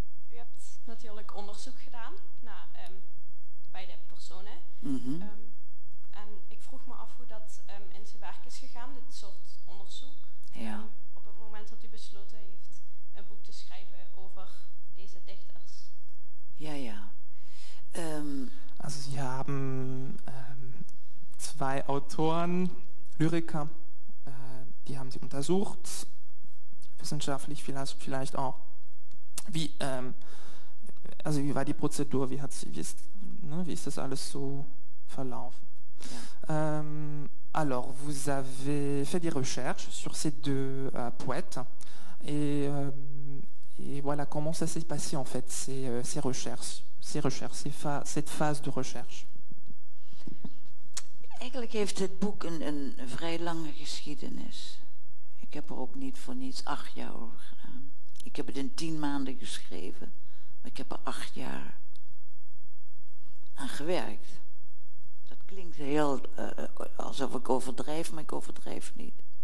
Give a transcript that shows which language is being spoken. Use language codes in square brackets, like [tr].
[nl] U hebt natuurlijk onderzoek gedaan naar beide personen. Mm-hmm. En ik vroeg me af hoe dat in zijn werk is gegaan, dit soort onderzoek. Ja. Op het moment dat u besloten heeft een boek te schrijven over deze dichter. Ja, ja. [de] Also sie haben zwei Autoren, Lyriker, die haben sie untersucht, wissenschaftlich vielleicht auch. Wie, also wie war die Prozedur, wie ist das alles so verlaufen? Ja. [fr] Alors, vous avez fait des recherches sur ces deux poètes et voilà comment ça s'est passé en fait cette phase de recherche. [nl] Eigenlijk heeft het boek een vrij lange geschiedenis. Ik heb er ook niet voor niets 8 jaar over gedaan. Ik heb het in 10 maanden geschreven, maar ik heb er 8 jaar aan gewerkt. Dat klinkt heel alsof ik overdrijf, maar ik overdrijf niet.